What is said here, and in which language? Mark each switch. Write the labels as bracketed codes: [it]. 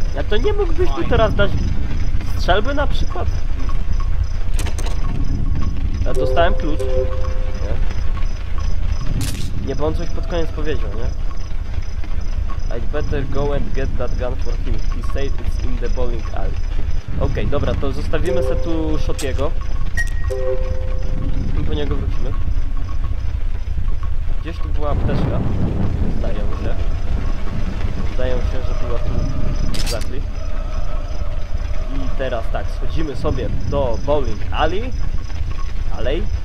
[pl] To nie mógłbyś mi teraz dać strzelby na przykład? Ja dostałem klucz. Nie. Nie, bo on coś pod koniec powiedział, nie? [en] I'd better go and get that gun for him. He said it's in the bowling alley. [pl] Okej, dobra, to zostawimy se tu Shotiego. I po niego wrócimy. Gdzieś tu była apteczka. Zdaje mi się. Zdaje się, że była tu. [en] Exactly. [pl] I teraz tak, schodzimy sobie do [en] bowling alley. Alley.